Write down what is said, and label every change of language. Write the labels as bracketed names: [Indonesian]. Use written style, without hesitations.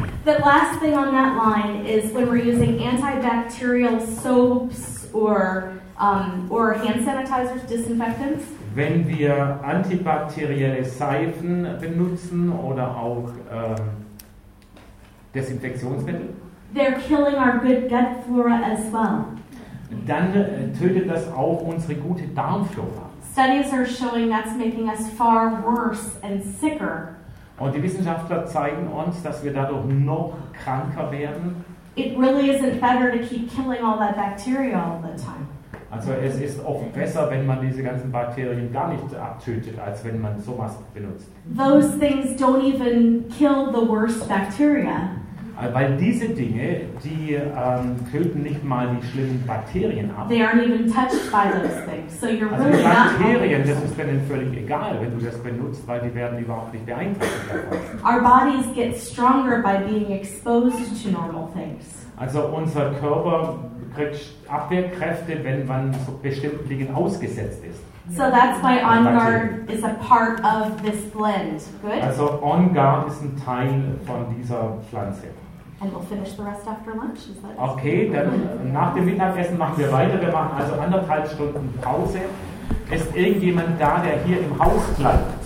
[English] The last thing on that line is when we're using antibacterial soaps or hand sanitizers, disinfectants. [German] Wenn wir antibakterielle Seifen benutzen oder auch Desinfektionsmittel. [English] They're killing our good gut flora as well. [German] Dann tötet das auch unsere gute Darmflora. [English] Studies are showing that's making us far worse and sicker. [German] Und die Wissenschaftler zeigen uns, dass wir dadurch noch kranker werden. [English] It really isn't better to keep killing all that bacteria all the time. [German] Also es ist oft besser, wenn man diese ganzen Bakterien gar nicht abtötet, als wenn man sowas benutzt. [English] Those things don't even kill the worst bacteria. [German] Weil diese Dinge, die töten nicht mal die schlimmen Bakterien ab. [English] They aren't even touched by those things. So you're also really [German] die Bakterien, das ist denen völlig egal, wenn du das benutzt, weil die werden überhaupt nicht beeinträchtigt. [English] Our bodies get stronger by being exposed to normal things. [German] Also unser Körper kriegt Abwehrkräfte, wenn man so bestimmten Dingen ausgesetzt ist. [English] So that's why On Guard is a part of this blend. Good? [German] Also On Guard ist ein Teil von dieser Pflanze. [English] And we'll finish the rest after lunch. Is that okay, [German] dann nach dem Mittagessen machen wir weiter. Wir machen also anderthalb Stunden Pause. Ist irgendjemand da, der hier im Haus bleibt?